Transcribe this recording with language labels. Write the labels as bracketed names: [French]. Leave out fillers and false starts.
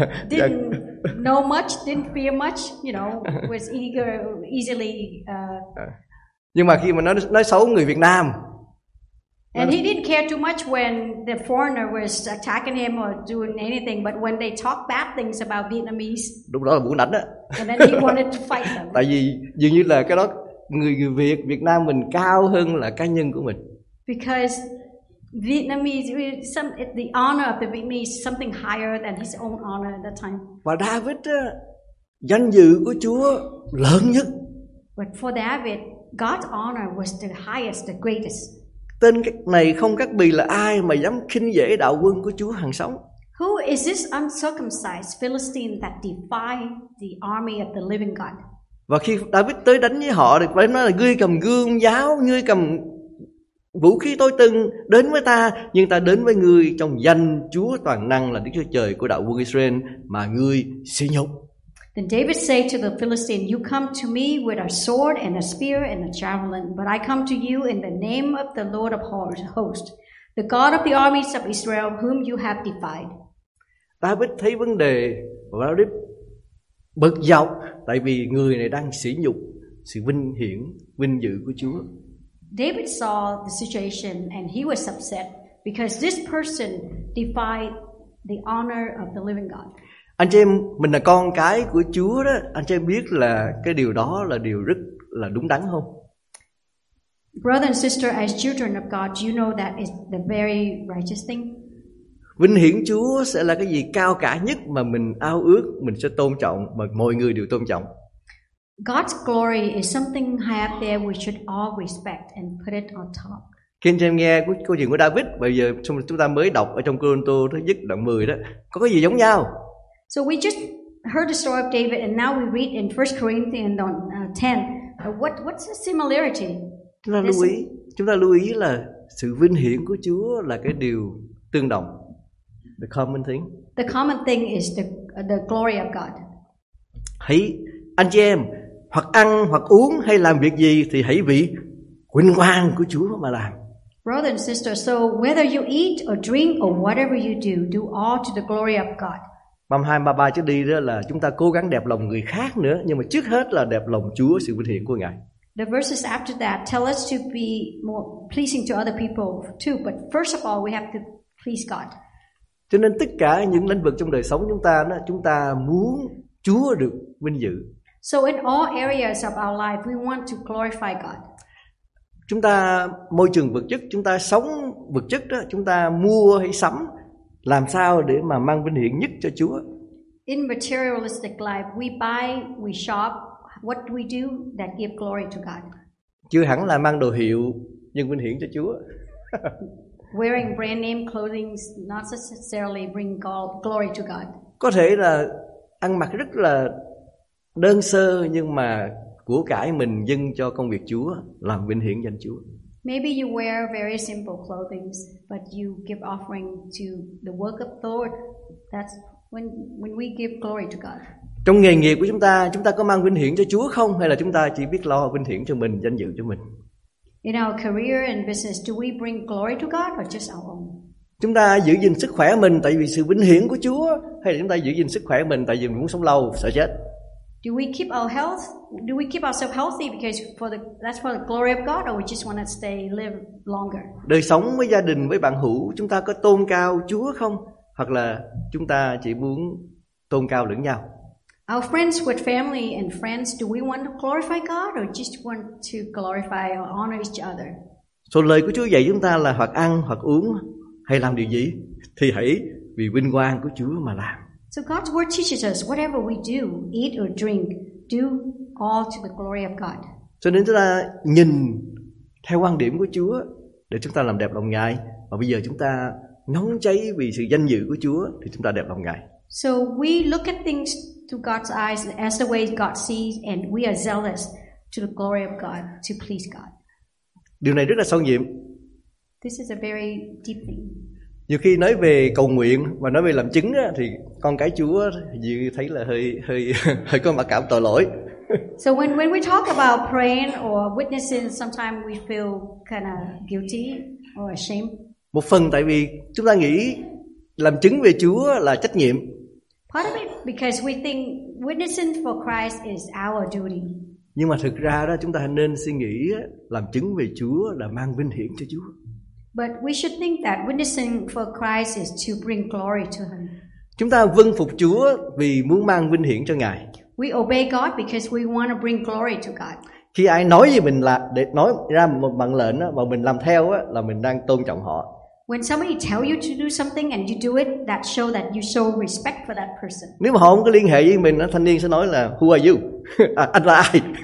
[English] Didn't know much, didn't fear much, you know, was eager, easily. [Vietnamese] Nhưng mà khi mà nói xấu người Việt Nam. [English] And he didn't care too much when the foreigner was attacking him or doing anything, but when they talk bad things about Vietnamese. [Vietnamese] Lúc đó là muốn đánh á. [English] And then he wanted to fight them. [Vietnamese] Tại vì dường như là cái đó người Việt Việt Nam mình cao hơn là cá nhân của mình. [English] Because Vietnamese, the honor of the Vietnamese is something higher than his own honor at that time. [Vietnamese] Và David, danh dự của Chúa lớn nhất. [English] But for David, God's honor was the highest, the greatest. [Vietnamese] Tên này không các bì là ai mà dám khinh dễ đạo quân của Chúa hàng sống? [English] Who is this uncircumcised Philistine that defied the army of the living God? [Vietnamese] Và khi David tới đánh với họ thì David nói là ngươi cầm gươm giáo, ngươi cầm vũ khí tối tưng đến với ta, nhưng ta đến với ngươi trong danh Chúa toàn năng là Đức Chúa Trời của đạo quân Israel mà ngươi sỉ nhục. [English] Then David said to the Philistine, "You come to me with a sword and a spear and a javelin, but I come to you in the name of the Lord of hosts, the God of the armies of Israel, whom you have defied." [Vietnamese] David thấy vấn đề và David bực dọc tại vì người này đang sỉ nhục sự vinh hiển, vinh dự của Chúa. [English] David saw the situation and he was upset because this person defied the honor of the living God. [Vietnamese] Anh chị em, mình là con cái của Chúa đó, anh chị em biết là cái điều đó là điều rất là đúng đắn không? [English] Brother and sister, as children of God, you know that is the very righteous thing. [Vietnamese] Vinh hiển Chúa sẽ là cái gì cao cả nhất mà mình ao ước, mình sẽ tôn trọng và mọi người đều tôn trọng. [English] God's glory is something high up there we should all respect and put it on top. [Vietnamese] Khi anh em nghe câu chuyện của David, bây giờ chúng ta mới đọc ở trong Cô-rinh-tô thứ nhất đoạn 10 đó, có cái gì giống nhau? [English] So we just heard the story of David and now we read in 1 Corinthians 10. What's the similarity? [Vietnamese] Chúng ta lưu ý là sự vinh hiển của Chúa là cái điều tương đồng. [English] The common thing. The common thing is the glory of God. [Vietnamese] Hãy anh chị em hoặc ăn hoặc uống hay làm việc gì thì hãy vì vinh quang của Chúa mà làm. [English] Brother and sister, so whether you eat or drink or whatever you do, do all to the glory of God. [Vietnamese] Băm 23 trước đi đó là chúng ta cố gắng đẹp lòng người khác nữa, nhưng mà trước hết là đẹp lòng Chúa, sự vinh hiển của Ngài. [English] The verses after that tell us to be more pleasing to other people too, but first of all we have to please God. [Vietnamese] Cho nên tất cả những lĩnh vực trong đời sống chúng ta đó, chúng ta muốn Chúa được vinh dự. [English] So in all areas of our life we want to glorify God. [Vietnamese] Chúng ta môi trường vật chất, chúng ta sống vật chất đó, chúng ta mua hay sắm làm sao để mà mang vinh hiển nhất cho Chúa? [English] In materialistic life, we buy, we shop, what do we do that give glory to God? [Vietnamese] Chưa hẳn là mang đồ hiệu nhưng vinh hiển cho Chúa. [English] Wearing brand name clothing not necessarily bring glory to God. [Vietnamese] Có thể là ăn mặc rất là đơn sơ nhưng mà của cải mình dâng cho công việc Chúa làm vinh hiển danh Chúa. [English] Maybe you wear very simple clothing, but you give offering to the work of the Lord. That's when we give glory to God. [Vietnamese] Trong nghề nghiệp của chúng ta có mang vinh hiển cho Chúa không? Hay là chúng ta chỉ biết lo vinh hiển cho mình, danh dự cho mình? [English] In our career and business, do we bring glory to God or just our own? [Vietnamese] Chúng ta giữ gìn sức khỏe mình tại vì sự vinh hiển của Chúa, hay là chúng ta giữ gìn sức khỏe mình tại vì mình muốn sống lâu, sợ chết? [English] Do we keep our health? Do we keep ourselves healthy because that's for the glory of God, or we just want to stay live longer? [Vietnamese] Đời sống với gia đình với bạn hữu chúng ta có tôn cao Chúa không? Hoặc là chúng ta chỉ muốn tôn cao lẫn nhau? [English] Our friends with family and friends, do we want to glorify God or just want to glorify or honor each other? [Vietnamese] So lời của Chúa dạy chúng ta là hoặc ăn hoặc uống hay làm điều gì thì hãy vì vinh quang của Chúa mà làm. [English] So God's word teaches us whatever we do, eat or drink, do all to the glory of God. [Vietnamese] Cho nên chúng ta nhìn theo quan điểm của Chúa để chúng ta làm đẹp lòng Ngài, và bây giờ chúng ta nóng cháy vì sự danh dự của Chúa thì chúng ta đẹp lòng Ngài. [English] So we look at things through God's eyes as the way God sees, and we are zealous to the glory of God, to please God. [Vietnamese] Điều này rất là sâu nhiệm. [English] This is a very deep thing. [Vietnamese] Nhiều khi nói về cầu nguyện và nói về làm chứng á, thì con cái Chúa như thấy là hơi có mặc cảm tội lỗi. [English] So when we talk about praying or witnessing, sometimes we feel kind of guilty or ashamed. [Vietnamese] Một phần tại vì chúng ta nghĩ làm chứng về Chúa là trách nhiệm. [English] Part of it because we think witnessing for Christ is our duty. [Vietnamese] Nhưng mà thực ra đó, chúng ta nên suy nghĩ làm chứng về Chúa là mang vinh hiển cho Chúa. [English] But we should think that witnessing for Christ is to bring glory to him. [Vietnamese] Chúng ta vâng phục Chúa vì muốn mang vinh hiển cho Ngài. [English] We obey God because we want to bring glory to God. [Vietnamese] Khi ai nói gì mình là để nói ra một mệnh lệnh và mình làm theo là mình đang tôn trọng họ. [English] When somebody tell you to do something and you do it, that show that you show respect for that person. [Vietnamese] Nếu mà họ không có liên hệ với mình, thanh niên sẽ nói là [English] who are you? [Vietnamese] À, anh là ai?